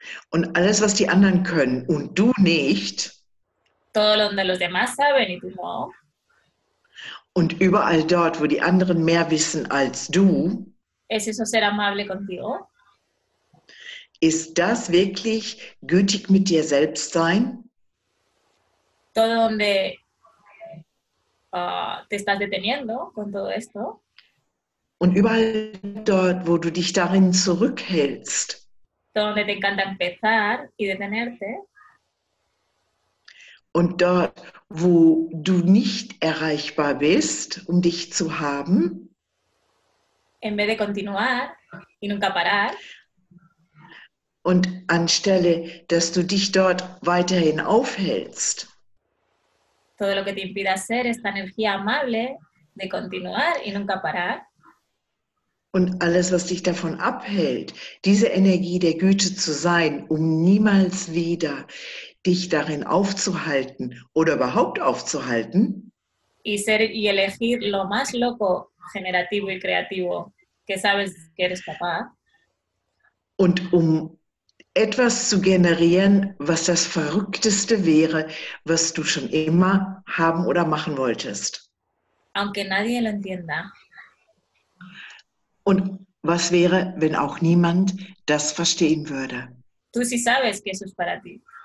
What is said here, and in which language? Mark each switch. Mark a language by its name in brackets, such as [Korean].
[German] Und alles, was die anderen können und du nicht. [Spanish] Todo donde los demás saben y tú no. [German] Und überall dort, wo die anderen mehr wissen als du. [Spanish] ¿Es eso ser amable contigo? [German] Ist das wirklich gütig mit dir selbst sein? [Spanish] Todo donde te estás deteniendo con todo esto. [German] Und überall dort, wo du dich darin zurückhältst. [Spanish] Donde te encanta empezar y detenerte. [German] Und dort, wo du nicht erreichbar bist, um dich zu haben. [Spanish] En vez de continuar y nunca parar. [German] Und anstelle, dass du dich dort weiterhin aufhältst. [Spanish] Todo lo que te impida ser esta energía amable de continuar y nunca parar. [German] Und alles, was dich davon abhält, diese Energie der Güte zu sein, um niemals wieder dich darin aufzuhalten oder überhaupt aufzuhalten. [Spanish] Y ser y elegir lo más loco, generativo y creativo que sabes que eres capaz. [German] Und um etwas zu generieren, was das Verrückteste wäre, was du schon immer haben oder machen wolltest. [Spanish] Aunque nadie lo entienda. [German] Und was wäre, wenn auch niemand das verstehen würde? [Spanish] Tú sí sabes que eso es para ti.